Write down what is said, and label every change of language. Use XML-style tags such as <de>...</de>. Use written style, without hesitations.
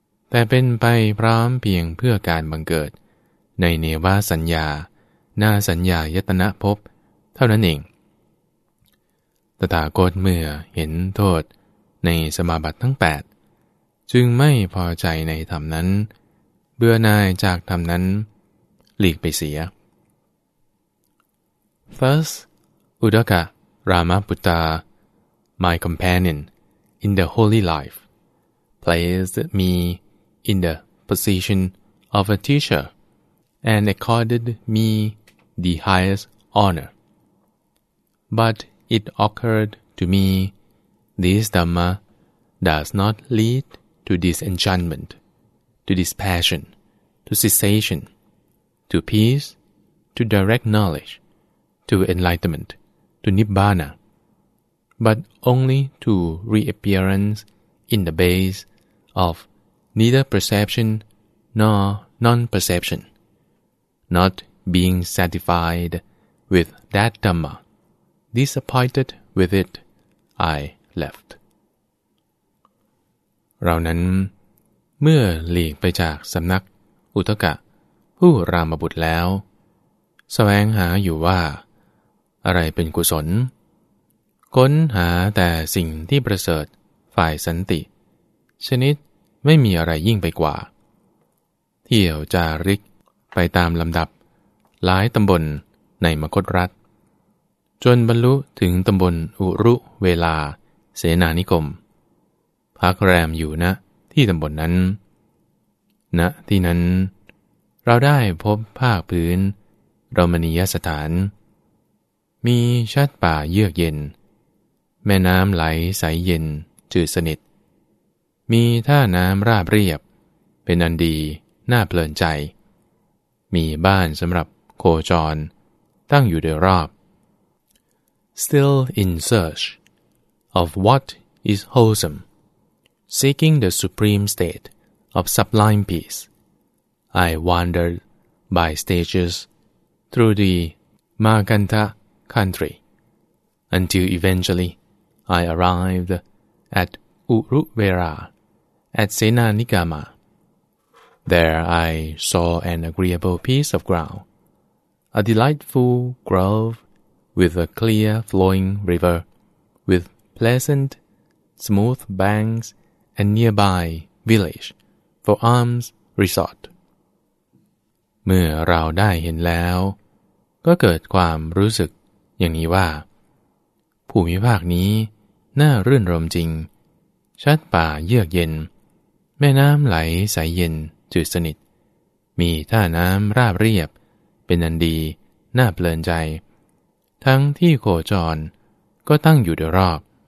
<th>แต่เป็นไปพร้อมเพียงเพื่อการบังเกิดในเนวสัญญาหน้าสัญญายตนะภพเท่านั้นเองตถาคตเมื่อเห็นโทษในสมาบัติทั้ง8จึงไม่พอใจในธรรมนั้นเบื่อหน่ายจากธรรมนั้นหลีกไปเสีย</th> <en>Thus Uddaka Ramaputta my companion in the holy life placed me in the position of a teacher and accorded meThe highest honor. But it occurred to me, this Dhamma does not lead to disenchantment, to dispassion, to cessation, to peace, to direct knowledge, to enlightenment, to Nibbana, but only to reappearance in the base of neither perception nor non-perception, not.being satisfied with that Dhamma, disappointed With it, I left.</en> <th>เรานั้นเมื่อหลีกไปจากสำนักอุทกะผู้รามบุตรแล้วแสวงหาอยู่ว่าอะไรเป็นกุศลค้นหาแต่สิ่งที่ประเสริฐฝ่ายสันติชนิดไม่มีอะไรยิ่งไปกว่า เที่ยวจาริกไปตามลำดับหลายตำบลในมคธรัฐจนบรรลุถึงตำบลอุรุเวลาเสนานิคมพักแรมอยู่ณที่ตำบลนั้น ณที่นั้นเราได้พบภาคพื้นรมณียสถานมีชัดป่าเยือกเย็นแม่น้ำไหลใสเย็นจืดสนิทมีท่าน้ำราบเรียบเป็นอันดีน่าเพลินใจมีบ้านสำหรับโคจรตั้งอยู่โดยรอบ</th> <en>Still in search of what is wholesome, seeking the supreme state of sublime peace, I wandered by stages through the Maganta country until eventually I arrived at Uruvera at Senanigama. There I saw an agreeable piece of ground, a delightful grove with a clear flowing river, with pleasant smooth banks and nearby village for alms resort.</en> <th>เมื่อเราได้เห็นแล้วก็เกิดความรู้สึกอย่างนี้ว่าภูมิภาคนี้น่ารื่นรมจริงชัดป่าเยือกเย็นแม่น้ำไหลใสเย็นจืดสนิทมีท่าน้ำราบเรียบเป็นอันดีน่าเพลินใจทั้งที่โคจรก็ตั้งอยู่โดยรอบ</th>